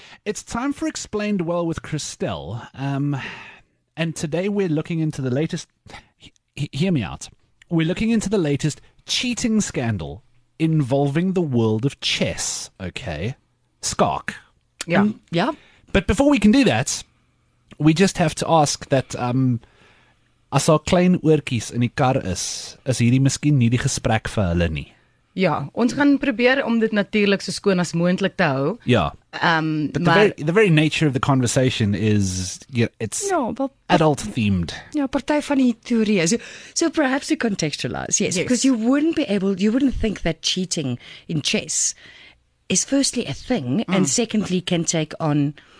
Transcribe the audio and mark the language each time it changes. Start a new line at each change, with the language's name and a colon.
English: It's time for Explained Well with Christelle. And today we're looking into the latest... Hear me out. We're looking into the latest cheating scandal involving the world of chess, okay?
Afrikaans: Skark.
English: Yeah, yeah. But before we can do that, we just have to ask that...
Afrikaans: As al klein oortjies in die kar is, is hierdie miskien nie die gesprek vir hulle nie. Ja, ons gaan probeer om dit natuurlik so skoon as moontlik te hou. Ja.
English: But maar, the very nature of the conversation is, it's no, but, adult-themed.
Afrikaans: Ja, partij van die theorie.
English: So perhaps to contextualize, yes. Because you wouldn't be able, you wouldn't think that cheating in chess is firstly a thing, and secondly can take on...